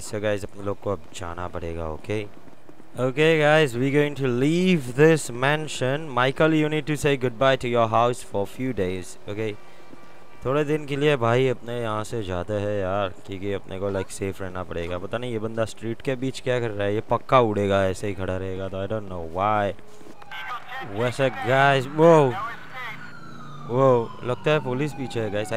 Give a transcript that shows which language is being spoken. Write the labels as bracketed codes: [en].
[hi] So guys अपने लोग को अब जाना पड़ेगा, okay? [en] Okay guys, we're going to leave this mansion. Michael, you need to say goodbye to your house for few days, okay? [hi] थोड़े दिन के लिए भाई अपने यहाँ से जाते हैं यार, क्योंकि अपने को लाइक सेफ रहना पड़ेगा. पता नहीं ये बंदा स्ट्रीट के बीच क्या कर रहा है, ये पक्का उड़ेगा ऐसे ही खड़ा रहेगा तो. [en] I don't know why. [hi] वैसे गाइस वो लगता है पुलिस पीछे है गाइस.